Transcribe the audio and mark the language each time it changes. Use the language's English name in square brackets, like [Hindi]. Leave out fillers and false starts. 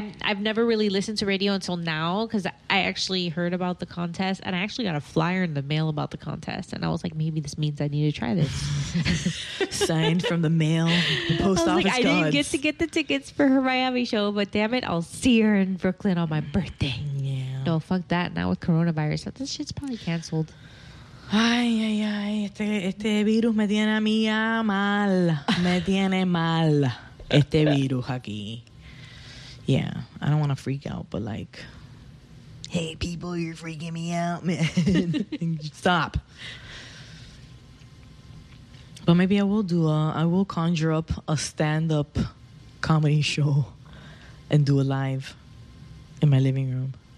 [English] I've never really listened to radio until now because I actually heard about the contest and I actually got a flyer in the mail about the contest. And I was like, maybe this means I need to try this. Signed from the mail, the post I was gods. I didn't get to get the tickets for her Miami show, but damn it, I'll see her in Brooklyn on my birthday. Yeah. No, fuck that. Not with coronavirus. This shit's probably canceled. [Spanish] Ay, ay, ay, este virus me tiene a mí ya mal. Me tiene mal este virus aquí. [English] Yeah, I don't want to freak out, but like, hey, people, you're freaking me out, man. Stop. But maybe I will conjure up a stand-up comedy show and do a live in my living room.